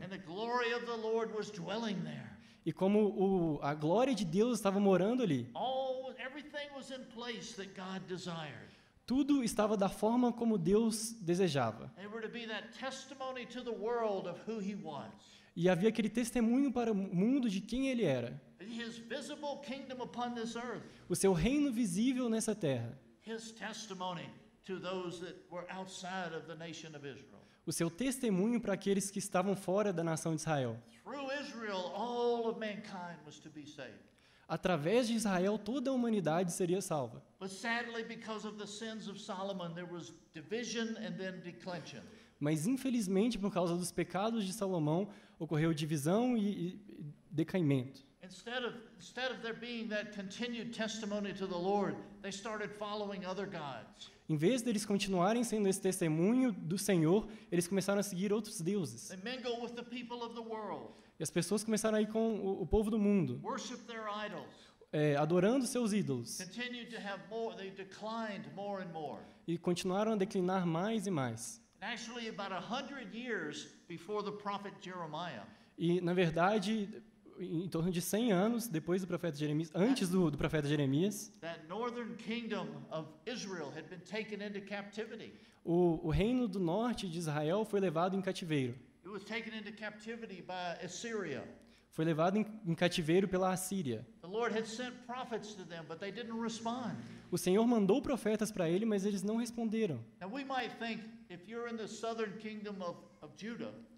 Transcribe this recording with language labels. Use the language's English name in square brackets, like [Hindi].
[English] And the glory of the Lord was dwelling there. [Portuguese] E como a glória de Deus estava morando ali. [English] Everything was in place that God desired. [Portuguese] Tudo estava da forma como Deus desejava. [English] They were to be that testimony to the world of who he was. [Portuguese] E havia aquele testemunho para o mundo de quem ele era. [English] His visible kingdom upon this earth. [Portuguese] O seu reino visível nessa terra. [English] His testimony to those that were outside of the nation of Israel. [Portuguese] O seu testemunho para aqueles que estavam fora da nação de Israel. [English] Israel, all of mankind was to be saved. [Portuguese] Através de Israel, toda a humanidade seria salva. [English] But sadly, because of the sins of Solomon, there was division and then declension. [Portuguese] Mas infelizmente, por causa dos pecados de Salomão, ocorreu divisão e decaimento. E [English] Instead of there being that continued testimony to the Lord, they started following other gods. [Portuguese] Em vez deles continuarem sendo esse testemunho do Senhor, eles começaram a seguir outros deuses. [English] They mingled with the people of the world. [Portuguese] E as pessoas começaram a ir com o povo do mundo. [English] Worship their idols. [Portuguese] Adorando seus ídolos. [English] Continued to have more, they declined more and more. [Portuguese] E continuaram a declinar mais e mais. [English] Actually, about 100 years before the prophet Jeremiah. [Portuguese] E na verdade, em torno de 100 anos depois do profeta Jeremias, antes do profeta Jeremias, [English] that northern kingdom of Israel had been taken into captivity. [Portuguese] O reino do norte de Israel foi levado em cativeiro. [English] It was taken into captivity by Assyria. [Portuguese] Foi levado em cativeiro pela Assíria. [English] The Lord had sent prophets to them, but they didn't respond. [Portuguese] O Senhor mandou profetas para ele, mas eles não responderam. [English] Now we might think if you're in the southern kingdom of Judah.